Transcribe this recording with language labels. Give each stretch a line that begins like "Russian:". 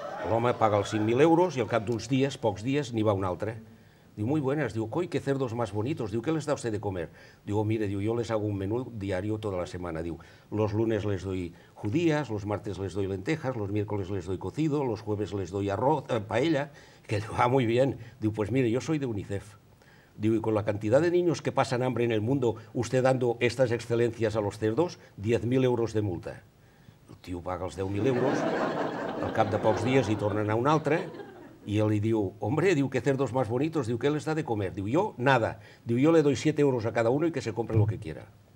Catalan: L'home paga els 5.000 euros i al cap d'uns dies, pocs dies, n'hi va un altre.
Spanish: Diu, muy buenas. Diu, coi, que cerdos más bonitos. Diu, ¿qué les da usted de comer? Diu, mire, yo les hago un menú diario toda la semana. Diu, los lunes les doy judías, los martes les doy lentejas, los miércoles les doy cocido, los jueves les doy arroz, paella. Que le va muy bien. Diu, pues mire, yo soy de UNICEF. Diu, y con la cantidad de niños que pasan hambre en el mundo, usted dando estas excelencias a los cerdos, 10.000 euros de multa.
Catalan: El tio paga els 10.000 euros, al cap de pocs dies hi tornen a un altre... I ell li diu,
Spanish: hombre, diu, que cerdos más bonitos, diu, que les da de comer? Diu, jo, nada. Diu, jo le doy 7 euros a cada uno y que se compre lo que quiera.